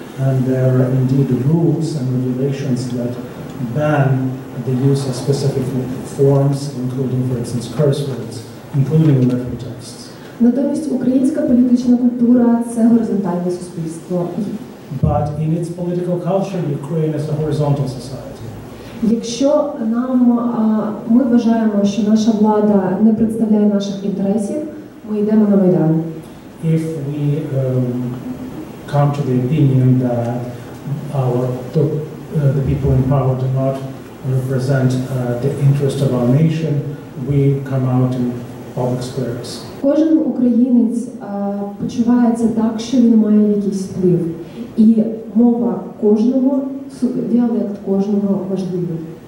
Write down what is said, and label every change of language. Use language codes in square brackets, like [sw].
[en] And there are indeed rules and regulations that ban the use of specific forms, including, for instance, curse words, including in literary texts. [uk] Натомість українська політична культура – це горизонтальне суспільство. [en] But in its political culture, Ukraine is a horizontal society. [uk] Якщо нам ми вважаємо, що наша влада не представляє наших інтересів, ми йдемо на Майдан. [en] If we come to the opinion that the people in power do not represent the interest of our nation, we come out in public squares. [uk] Кожен українець почувається так, що він має якийсь вплив. І мова кожного, діалект кожного важливий.